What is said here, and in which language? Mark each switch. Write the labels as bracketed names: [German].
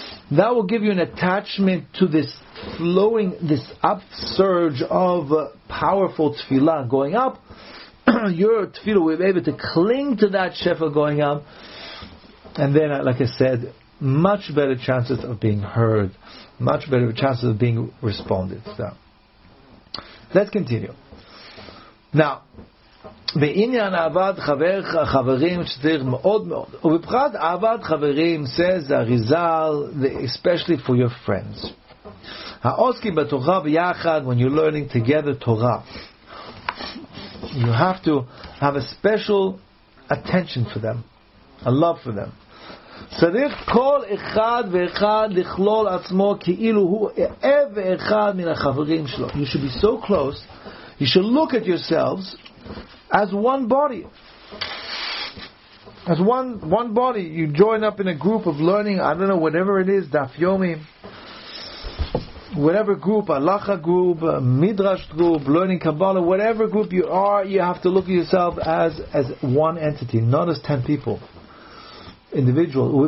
[English] That will give you an attachment to this flowing, this upsurge of powerful tefillah going up. Your tefillah will be able to cling to that shefa going up. And then, like I said, much better chances of being heard. Much better chances of being responded. So, let's continue. Now, [Hebrew] בעניין אהבת חברים שצריך מאוד מאוד, ובפרט אהבת חברים, [English] says Arizal, especially for your friends. [Hebrew] העוסקים בתורה ביחד, [English] when you're learning together Torah, you have to have a special attention for them, a love for them. [Hebrew] צריך כל אחד ואחד לכלול עצמו כאילו הוא אהב ואחד מן החברים שלו. [English] You should be so close, you should look at yourselves as one body. As one body, you join up in a group of learning, I don't know, whatever it is, Daf Yomi, whatever group, Halacha group, Midrash group, learning Kabbalah, whatever group you are, you have to look at yourself as one entity, not as 10 people. Individual.